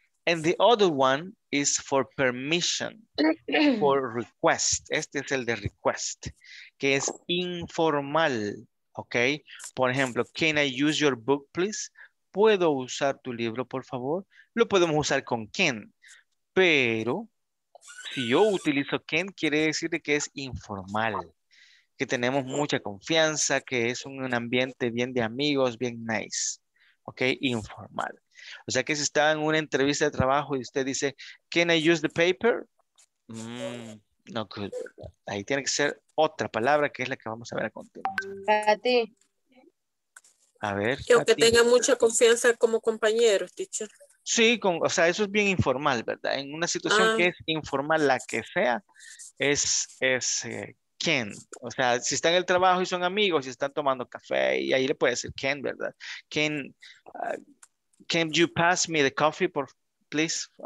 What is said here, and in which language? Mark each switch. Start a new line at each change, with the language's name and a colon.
English: And the other one is for permission, for request.
Spanish: Este es el de request, que es informal. Okay. Por ejemplo,
English: can I use your book, please?
Spanish: ¿Puedo usar tu libro, por favor? Lo podemos usar con can, pero si yo utilizo can, quiere decir que es informal, que tenemos mucha confianza, que es un ambiente bien de amigos, bien nice, ok, informal. O sea que si está en una entrevista de trabajo y usted dice,
English: can I use the paper?
Spanish: No, good. Ahí tiene que ser otra palabra que es la que vamos a ver a continuación. A ti. A ver. Que aunque tenga mucha confianza como compañero, teacher. Sí, con, o sea, eso es bien informal, ¿verdad? En una situación que es informal, la que sea, es Ken. O sea, si está en el trabajo y son amigos y están tomando café, y ahí le puede decir Ken, ¿verdad?
English: Ken, can you pass me the coffee, por, please?